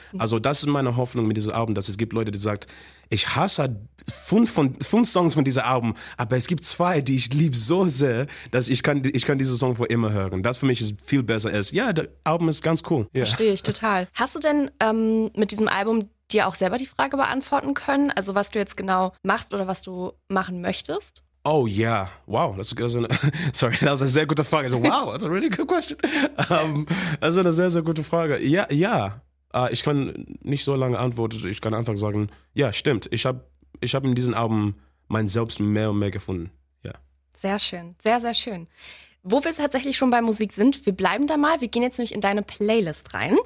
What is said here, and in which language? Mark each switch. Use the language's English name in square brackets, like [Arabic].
[German] Also das ist meine Hoffnung mit diesem Album, dass es gibt Leute, die sagen, ich hasse fünf Songs von diesem Album, aber es gibt zwei, die ich liebe so sehr, dass ich kann diese Song für immer hören. Das für mich ist viel besser. Ja, das Album ist ganz cool. Yeah. Verstehe ich, total. Hast du denn mit diesem Album dir auch selber die Frage beantworten können, also was du jetzt genau machst oder was du machen möchtest? [English] Oh yeah, wow, that was a [German] sehr gute Frage. [English] Wow, that's a really good question. [German] Das ist eine sehr, sehr gute Frage. Ja, ich kann nicht so lange antworten, ich kann einfach sagen, ja, stimmt, ich hab in diesem Album mein Selbst mehr und mehr gefunden. Yeah. Sehr schön, sehr, sehr schön. Wo wir tatsächlich schon bei Musik sind, wir bleiben da mal, wir gehen jetzt nämlich in deine Playlist rein.